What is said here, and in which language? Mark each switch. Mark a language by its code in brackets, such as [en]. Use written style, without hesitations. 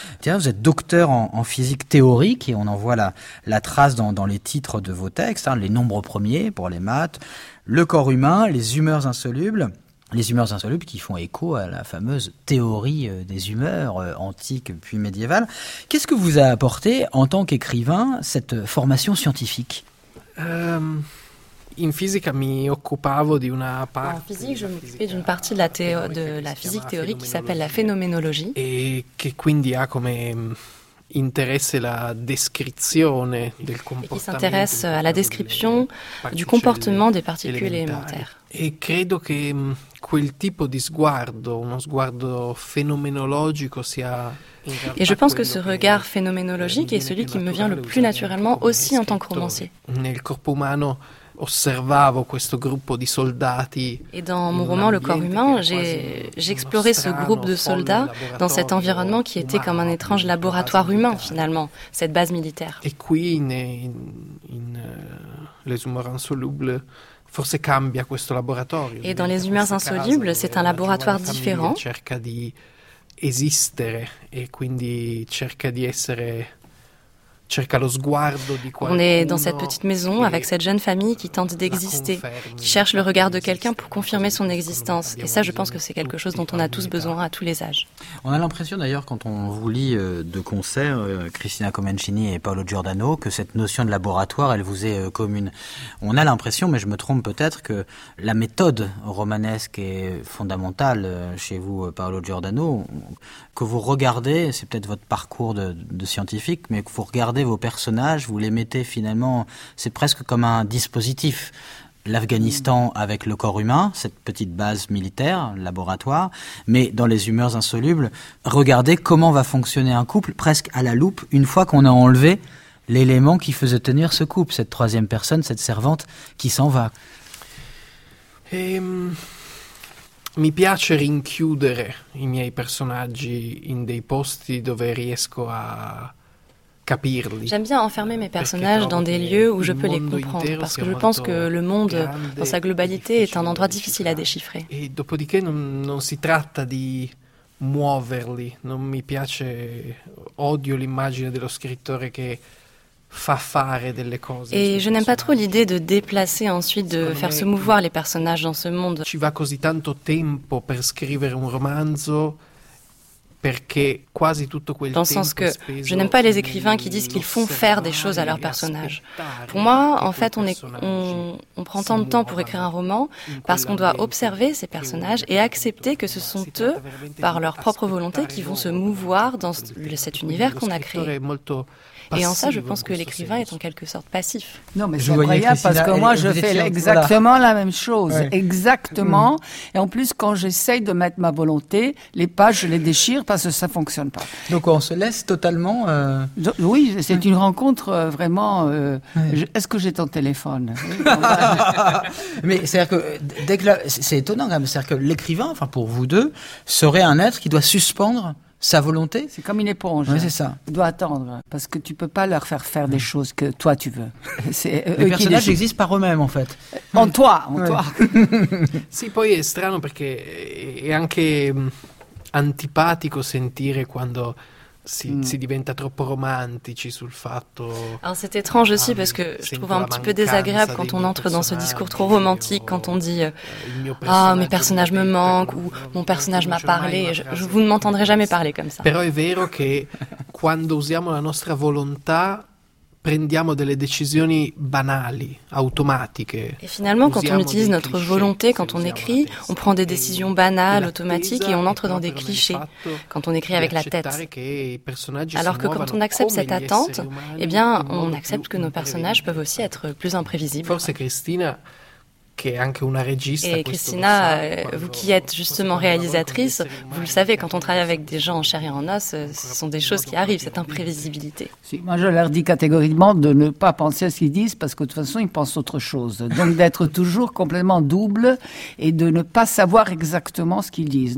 [fr] Tiens, vous êtes docteur en physique théorique et on en voit la trace dans les titres de vos textes, hein, les nombres premiers pour les maths, le corps humain, les humeurs insolubles. Les humeurs insolubles qui font écho à la fameuse théorie des humeurs antique puis médiévale. Qu'est-ce que vous a apporté en tant qu'écrivain cette formation scientifique? [it] In fisica mi occupavo di una parte. [fr] En physique, je m'occupais d'une partie de la physique théorique qui s'appelle la phénoménologie. [it] Et che quindi ha come interesse la descrizione del comportamento. [fr] Qui s'intéresse à la description du comportement des particules élémentaires. [it] Et credo che quel tipo di sguardo, uno sguardo fenomenologico sia. [fr] Et je pense que ce regard phénoménologique est celui qui me vient le plus naturellement aussi en tant que romancier. [it] Nel corpo umano osservavo questo gruppo di soldati. [fr] Et dans mon roman Le corps humain, j'explorais ce groupe de soldats dans cet environnement qui était comme un étrange laboratoire humain finalement, cette base militaire. Et qui in les humeurs insolubles. [it] Forse cambia questo laboratorio. [fr] Et dans les humeurs insolubles, c'est un laboratoire différent. [it] Cerca di esistere e quindi cerca di essere. Cerca lo sguardo di qualcuno. [fr] On est dans cette petite maison avec cette jeune famille qui tente d'exister, qui cherche le regard de quelqu'un pour confirmer son existence. Et ça, je pense que c'est quelque chose dont on a tous besoin à tous les âges. On a l'impression d'ailleurs, quand on vous lit de concert, Cristina Comencini et Paolo Giordano, que cette notion de laboratoire, elle vous est commune. On a l'impression, mais je me trompe peut-être, que la méthode romanesque est fondamentale chez vous, Paolo Giordano, que vous regardez, c'est peut-être votre parcours de scientifique, mais que vous regardez vos personnages, vous les mettez finalement, c'est presque comme un dispositif. L'Afghanistan avec le corps humain, cette petite base militaire, laboratoire, mais dans les humeurs insolubles, regardez comment va fonctionner un couple presque à la loupe une fois qu'on a enlevé l'élément qui faisait tenir ce couple, cette troisième personne, cette servante qui s'en va. [it] mi piace rinchiudere i miei personaggi in dei posti dove riesco a capirli. [fr] J'aime bien enfermer mes personnages dans des lieux où je peux les comprendre, parce que je pense que le monde, dans sa globalité, est un endroit difficile à déchiffrer. [it] Et dopodiché, non si tratta di muoverli. Non mi piace, odio l'immagine dello scrittore che fa fare delle cose. [fr] Et je n'aime pas trop l'idée de déplacer ensuite, de faire se mouvoir les personnages dans ce monde. [it] Ci va così tanto tempo per scrivere un romanzo. Perché quasi tutto quel [fr] dans le sens que je n'aime pas les écrivains qui disent qu'ils font faire des choses à leurs personnages. Pour moi, en fait, on prend tant de temps pour écrire un roman parce qu'on doit observer ces personnages et accepter que ce sont eux, par leur propre volonté, qui vont se mouvoir dans cet univers qu'on a créé. Et en ça, je pense que l'écrivain est en quelque sorte passif. Non, mais c'est incroyable parce que moi, je fais exactement la même chose. Ouais. Exactement. Mmh. Et en plus, quand j'essaye de mettre ma volonté, les pages, je les déchire parce que ça ne fonctionne pas. Donc, on se laisse totalement... Oui, c'est une rencontre vraiment... Est-ce que j'ai ton téléphone? Mais c'est-à-dire que, c'est étonnant quand même, c'est-à-dire que l'écrivain, enfin pour vous deux, serait un être qui doit suspendre sa volonté. C'est comme une éponge. Oui, c'est ça. Tu dois attendre, parce que tu ne peux pas leur faire faire des choses que toi, tu veux. C'est eux les personnages existent par eux-mêmes, en fait. En toi, en toi. [it] Sì, poi è strano perché è anche antipatico sentire quando... Si diventa troppo romantici sul fatto. [fr] Alors c'est étrange aussi parce que je trouve un petit peu désagréable quand on entre dans ce discours trop romantique, quand on dit ah, mes personnages me manquent ou mon personnage m'a parlé. Vous ne m'entendrez jamais parler comme ça. [it] Però è vero che quando usiamo la nostra volontà prendiamo delle decisioni banali, automatiche. [fr] Et finalement, quand on utilise notre volonté, quand on écrit, on prend des décisions banales, automatiques, et on entre dans des clichés, quand on écrit avec la tête. Alors que quand on accepte cette attente, eh bien, on accepte que nos personnages peuvent aussi être plus imprévisibles. [it] Forse Cristina, che è anche una regista. [fr] Et Cristina, vous qui êtes justement réalisatrice, vous le savez, quand on travaille avec des gens en chair et en os, ce sont des choses qui arrivent, cette imprévisibilité. Si, moi, je leur dis catégoriquement de ne pas penser à ce qu'ils disent, parce que de toute façon, ils pensent autre chose. Donc, d'être toujours complètement double et de ne pas savoir exactement ce qu'ils disent.